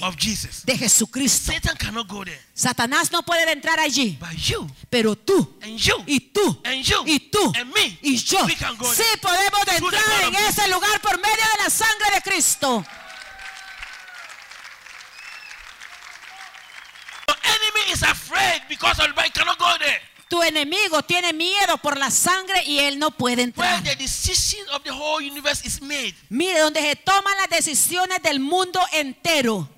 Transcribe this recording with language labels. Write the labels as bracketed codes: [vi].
[en] of Jesus. [es] De Jesucristo. [en] Satan cannot go there. [es] Satanás no puede entrar allí. [en] But you, [es] pero tú, [en] and you, [es] y tú, [en] and you, [es] y tú, [en] and me, [es] y yo, [en] we can go [es] sí [en] there. [es] Podemos entrar en ese lugar por medio de la sangre de Cristo. [en] Your enemy is afraid because everybody cannot go there. [es] Tu enemigo tiene miedo por la sangre y él no puede entrar. [en] Where the decision of the whole universe is made. [es] Mire, donde se toman las decisiones del mundo entero.